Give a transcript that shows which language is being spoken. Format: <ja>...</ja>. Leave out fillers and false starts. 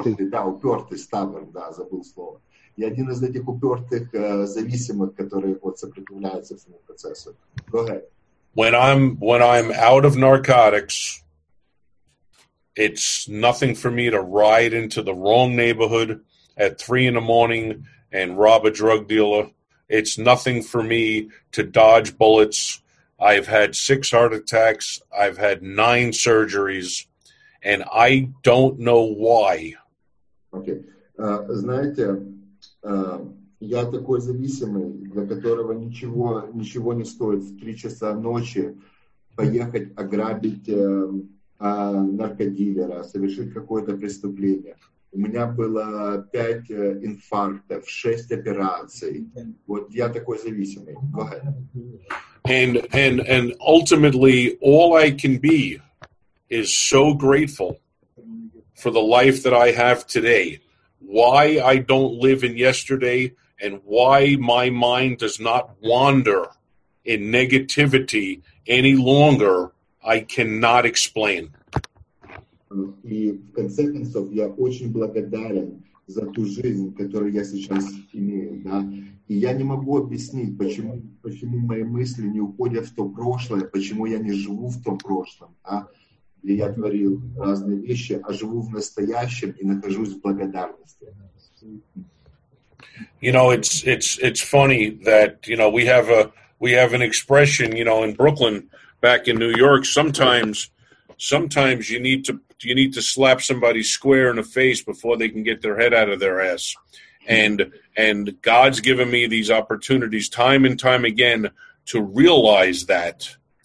<ru>Да, упертый, стаббер, да, забыл слово. Я один из этих упертых зависимых, которые вот сопротивляются всему процессу.</ru> <en>Go ahead. When I'm out of narcotics, it's nothing for me to ride into the wrong neighborhood at 3 in the morning and rob a drug dealer. It's nothing for me to dodge bullets. I've had 6 heart attacks. I've had 9 surgeries. And I don't know why. Okay.</en> <ru>Знаете, я такой зависимый, для которого ничего не стоит в 3 часа ночи поехать ограбить наркодилера, совершить какое-то преступление. У меня было 5 инфарктов, 6 операций. Вот я такой зависимый.</ru> <en>Go ahead. And ultimately, all I can be is so grateful for the life that I have today. Why I don't live in yesterday, and why my mind does not wander in negativity any longer, I cannot explain.</en> <ru>И в конце концов я очень благодарен за ту жизнь, которую я сейчас имею, да. И я не могу объяснить, почему мои мысли не уходят в то прошлое, почему я не живу в том прошлом, а где я творил разные вещи, а живу в настоящем и нахожусь в благодарности.</ru> <en>You know, it's funny that, you know, we have an expression, you know, in Brooklyn, back in New York, sometimes you need to slap somebody square in the face before they can get their head out of their ass. And God's given me these opportunities time and time again to realize that.</en>